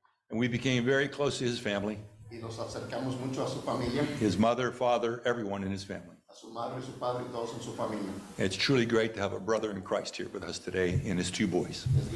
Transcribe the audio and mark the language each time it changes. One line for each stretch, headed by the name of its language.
English: And we became very close to his family.
Spanish: Y nos acercamos mucho a su familia,
English: his mother, father, everyone in his family.
Spanish: A su madre, su padre, y todos en su familia.
English: It's truly great to have a brother in Christ here with us today and his two boys.